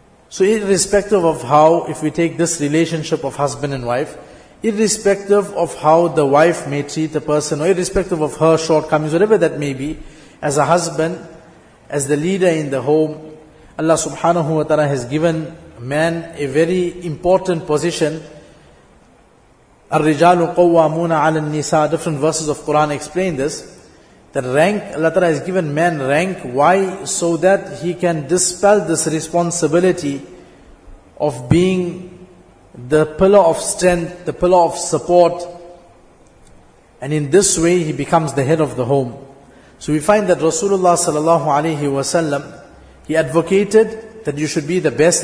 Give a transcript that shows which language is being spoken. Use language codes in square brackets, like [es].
[en] So irrespective of how, if we take this relationship of husband and wife, irrespective of how the wife may treat the person, or irrespective of her shortcomings, whatever that may be, as a husband, as the leader in the home, Allah subhanahu wa ta'ala has given man a very important position. [ar] الرجال قوامون على النساء. [en] Different verses of Quran explain this. The rank, Allah Ta'ala has given man rank. Why? So that he can dispel this responsibility of being the pillar of strength, the pillar of support. And in this way, he becomes the head of the home. So we find that Rasulullah sallallahu alayhi wa sallam, he advocated that you should be the best.